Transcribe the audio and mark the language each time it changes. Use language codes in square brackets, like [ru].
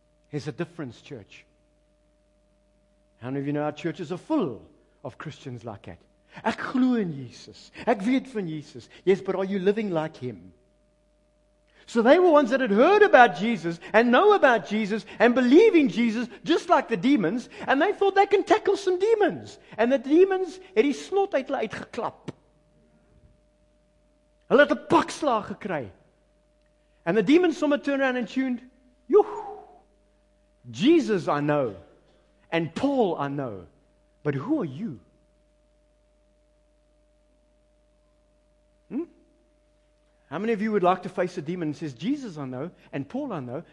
[en] There's a difference, church. How many of you know our churches are full of Christians like that? [af] Ek glo in Jesus. Ek weet van Jesus. [en] Yes, but are you living like Him? So they were ones that had heard about Jesus and know about Jesus and believe in Jesus, just like the demons, and they thought they can tackle some demons. And the demons, [af] het die snot uit geklap. Hulle het 'n pak slag gekry. [en] And the demons sommer turned around and tuned, "Joe, Jesus I know, and Paul I know, but who are you?" How many of you would like to face a demon and says, "Jesus I know, and Paul I know"?